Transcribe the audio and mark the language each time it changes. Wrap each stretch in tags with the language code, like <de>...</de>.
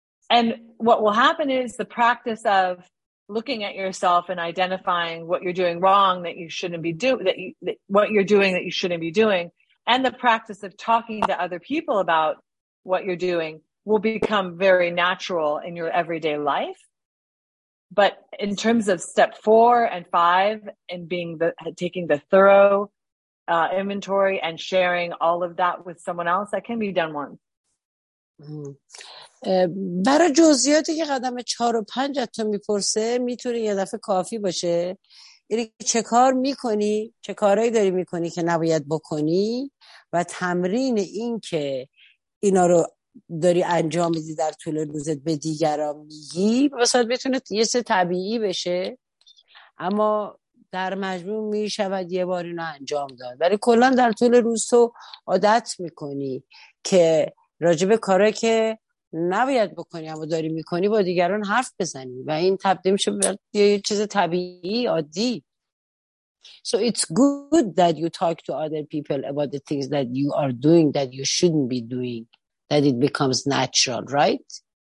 <en>And what will happen is the practice of looking at yourself and identifying what you're doing wrong that you shouldn't be doing, what you're doing that you shouldn't be doing, and the practice of talking to other people about what you're doing will become very natural in your everyday life. But in terms of step 4 and 5 and being taking the thorough inventory and sharing all of that with someone else, that can be done once.</en> <fa>برای جزئیاتی که قدم 4 و 5 تا میپرسه میتونه یه دفعه کافی باشه. اینی که چه کار میکنی، چه کارهایی داری میکنی که نباید بکنی و تمرین این که اینا رو داری انجام میدی در طول روزت به دیگران میگی واسه بتونه یه سه طبیعی بشه، اما در مجموع میشود یه بار اینو انجام داد. ولی کلا در طول روز تو عادت میکنی که راجب کاره که نباید بکنی اما داری میکنی با دیگران حرف بزنی و این تبدیل میشه به یه چیز طبیعی عادی.</fa> <en>So it's good that you talk to other people about the things that you are doing that you shouldn't be doing, that it becomes natural, right?</en>